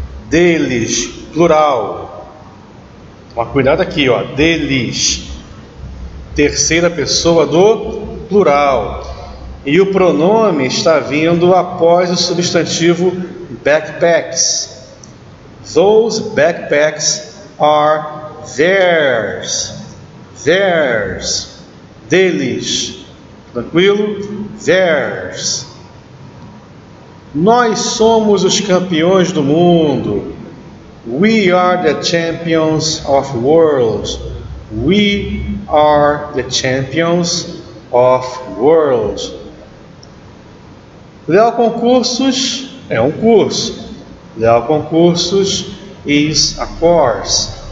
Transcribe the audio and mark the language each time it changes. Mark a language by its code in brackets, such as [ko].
[pt] Deles, plural. Mas cuidado aqui, ó. Deles. Terceira pessoa do plural. E o pronome está vindo após o substantivo backpacks. [en] Those backpacks are theirs. Theirs. [pt] Deles. Tranquilo? [en] Theirs. [pt] Nós somos os campeões do mundo. [en] We are the champions of the world. We are the champions of the world. [pt] Leal Concursos é um curso. [en] Leal Concursos is a course.